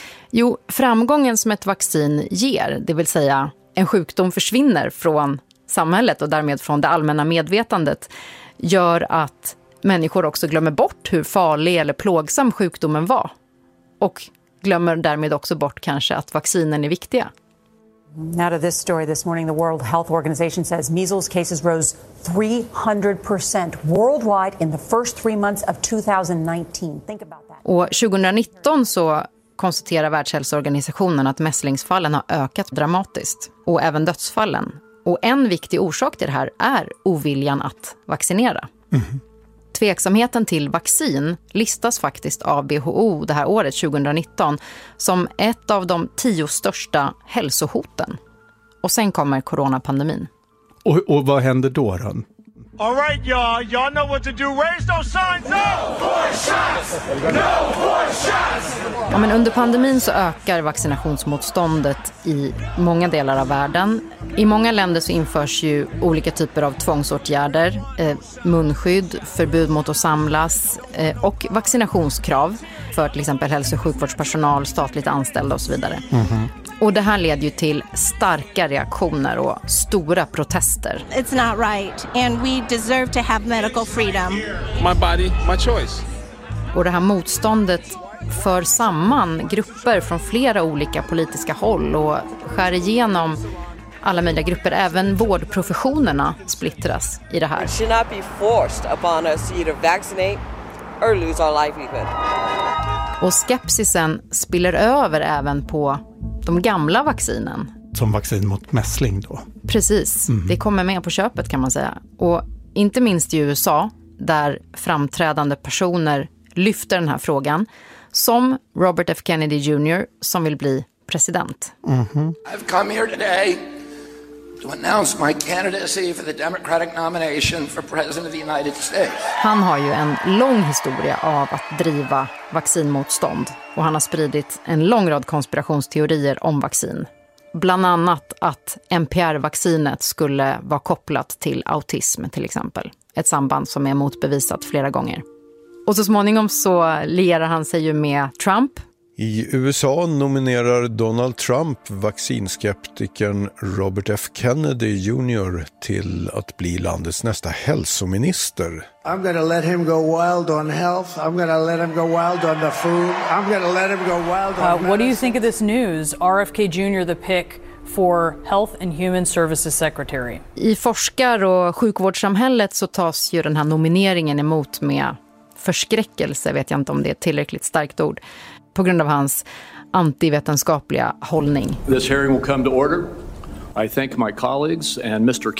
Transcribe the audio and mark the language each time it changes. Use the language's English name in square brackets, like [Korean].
[Swedish] Jo, framgången som ett vaccin ger, det vill säga en sjukdom försvinner från samhället och därmed från det allmänna medvetandet, gör att människor också glömmer bort hur farlig eller plågsam sjukdomen var. Och glömmer därmed också bort kanske att vaccinen är viktiga. [English] Now to this story this morning, the World Health Organization says measles cases rose 300% worldwide in the first three months of 2019. Think about that. [Swedish] Och 2019 så konstaterar Världshälsoorganisationen att mässlingsfallen har ökat dramatiskt och även dödsfallen. Och en viktig orsak till det här är oviljan att vaccinera. Mm. Tveksamheten till vaccin listas faktiskt av WHO det här året 2019 som ett av de 10 största hälsohoten. Och sen kommer coronapandemin. Och vad händer då? [English] All right, y'all know what to do. Raise those signs up! No more shots! No more shots! [Swedish] Ja, men under pandemin så ökar vaccinationsmotståndet i många delar av världen. I många länder så införs ju olika typer av tvångsåtgärder. Munskydd, förbud mot att samlas och vaccinationskrav för till exempel hälso- och sjukvårdspersonal, statligt anställda och så vidare. Mm-hmm. Och det här leder ju till starka reaktioner och stora protester. [English] It's not right and we deserve to have medical freedom. My body, my choice. [Swedish] Och det här motståndet för samman grupper från flera olika politiska håll och skär igenom alla möjliga grupper. Även vårdprofessionerna splittras i det här. [English] Should not be forced upon us to either vaccinate or lose our livelihood. [Swedish] Och skepsisen spiller över även på de gamla vaccinen. Som vaccin mot mässling då? Precis, det kommer med på köpet kan man säga. Och inte minst i USA, där framträdande personer lyfter den här frågan. Som Robert F. Kennedy Jr. som vill bli president. Mm-hmm. [English] I've come here today to announce my candidacy for the Democratic nomination for president of the United States. [Swedish] Han har ju en lång historia av att driva vaccinmotstånd. Och han har spridit en lång rad konspirationsteorier om vaccin. Bland annat att NPR-vaccinet skulle vara kopplat till autism till exempel. Ett samband som är motbevisat flera gånger. Och så småningom så lierar han sig ju med Trump. I USA nominerar Donald Trump vaccinskeptikern Robert F. Kennedy Jr. till att bli landets nästa hälsominister. [English] I'm gonna let him go wild on health. I'm gonna let him go wild on the food. I'm gonna let him go wild on medicine. What do you think of this news? RFK Jr. the pick for Health and Human Services Secretary. [Swedish] I forskar- och sjukvårdssamhället så tas ju den här nomineringen emot med förskräckelse, vet jag inte om det är tillräckligt starkt ord, på grund av hans antivetenskapliga hållning. [English] This hearing will come to order. I thank my colleagues and Mr.